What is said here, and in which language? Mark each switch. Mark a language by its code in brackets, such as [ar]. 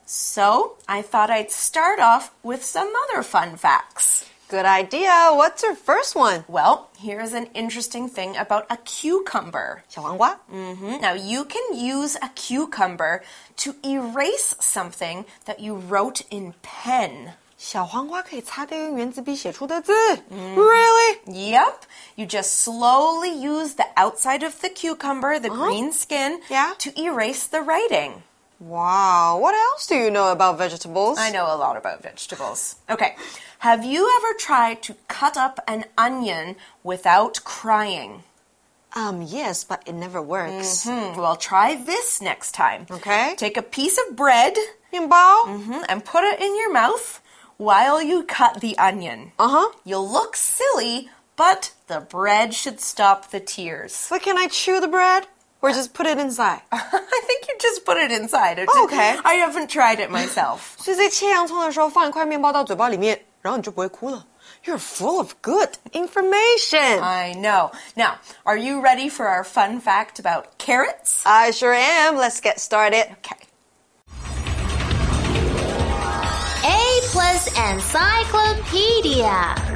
[en] So, I thought I'd start off with some other fun facts. Good idea. What's your first one? Well, here's an interesting thing about a cucumber. [zh] 小黄瓜? Mm-hmm. [en] Now, you can use a cucumber to erase something that you wrote in pen. [zh] 小黄瓜可以擦掉用圆珠笔写出的字、 [en] Really? Yep. You just slowly use the outside of the cucumber, the green skin,、to erase the writing. Wow. What else do you know about vegetables? I know a lot about vegetables. Okay. Have you ever tried to cut up an onion without crying? Yes, but it never works. Mm-hmm. Well, try this next time. Okay. Take a piece of bread. [zh] 面包、 [en] And put it in your mouth. While you cut the onion, you'll look silly, but the bread should stop the tears. But can I chew the bread or just put it inside? I think you just put it inside. Okay. I haven't tried it myself. [zh] 所以在切洋葱的时候放一块面包到嘴巴里面然后你就不会哭了。 [en] You're full of good information. I know. Now, are you ready for our fun fact about carrots? I sure am. Let's get started. Okay. Plus Encyclopedia.